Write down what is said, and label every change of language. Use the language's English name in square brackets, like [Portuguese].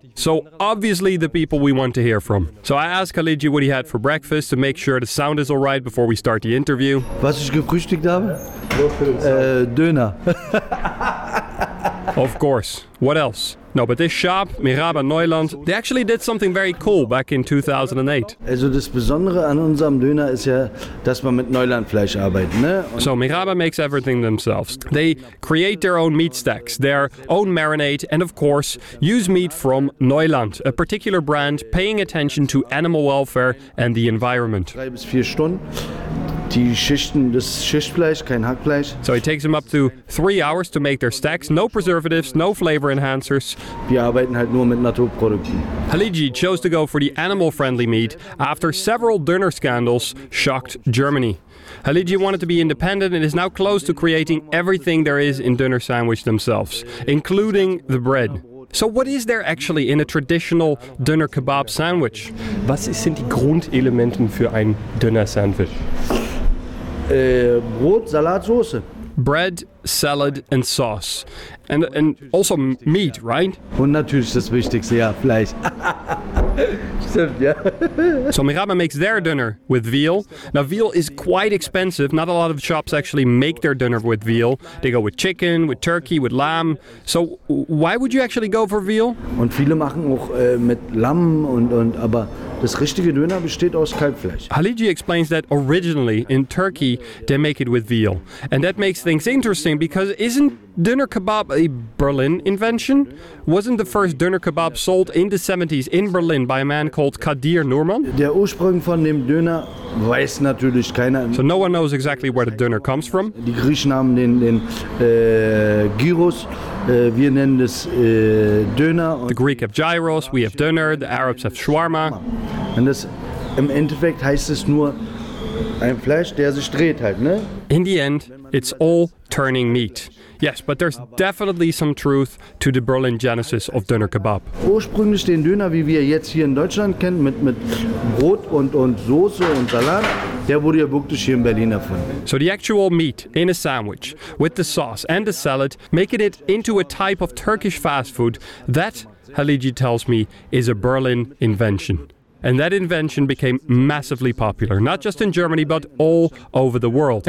[English] So obviously the people we want to hear from. So I asked Halici what he had for breakfast to make sure the sound is all right before we start the interview. [German] Was ich gefrühstückt habe? Döner. [English] Of course. What else? No, but this shop, Merhaba Neuland, they actually did something very cool back in 2008. [German] Also das Besondere an unserem Döner ist ja, dass man mit Neulandfleisch arbeitet, ne? [English] So Merhaba makes everything themselves. They create their own meat stacks, their own marinade, and of course, use meat from Neuland, a particular brand paying attention to animal welfare and the environment. 3 to 4 hours. [German] Die Schichten, das Schichtfleisch, kein Hackfleisch. [English] So it takes them up to 3 hours to make their stacks, no preservatives, no flavor enhancers. [German] Wir arbeiten halt nur mit Naturprodukten. [English] Halici chose to go for the animal-friendly meat after several döner scandals shocked Germany. Halici wanted to be independent and is now close to creating everything there is in döner sandwich themselves, including the bread. So what is there actually in a traditional döner kebab sandwich? [German] Was sind die Grundelementen für ein döner sandwich? Brot, Salat, Soße. [English] Bread, salad and sauce. And also meat, right? [German] Und natürlich das Wichtigste, ja, Fleisch. Stimmt, ja. [English] So Merhaba makes their dinner with veal. Now veal is quite expensive. Not a lot of shops actually make their dinner with veal. They go with chicken, with turkey, with lamb. So why would you actually go for veal? [German] Und viele machen auch mit Lamm und aber das richtige Döner besteht aus Kalbfleisch. [English] Halici explains that originally in Turkey they make it with veal. And that makes things interesting because isn't döner kebab a Berlin invention? Wasn't the first döner kebab sold in the 70s in Berlin by a man called Kadir Nurman? [German] Der Ursprung von dem Döner weiß natürlich keiner. [English] So no one knows exactly where the döner comes from. [German] Die Griechen haben den Gyros. Wir nennen das Döner. [English] The Greek have Gyros, we have Döner, the Arabs have Shawarma. [German] Und das im Endeffekt heißt es nur ein Fleisch, der sich dreht halt, ne? [English] In the end, it's all turning meat. Yes, but there's definitely some truth to the Berlin genesis of döner kebab. [German] Ursprünglich den Döner, wie wir jetzt hier in Deutschland kennen, mit Brot und Soße und Salat, der wurde ja wirklich hier in Berlin erfunden. [English] So the actual meat in a sandwich, with the sauce and the salad, making it into a type of Turkish fast food, that, Halici tells me, is a Berlin invention. And that invention became massively popular, not just in Germany, but all over the world.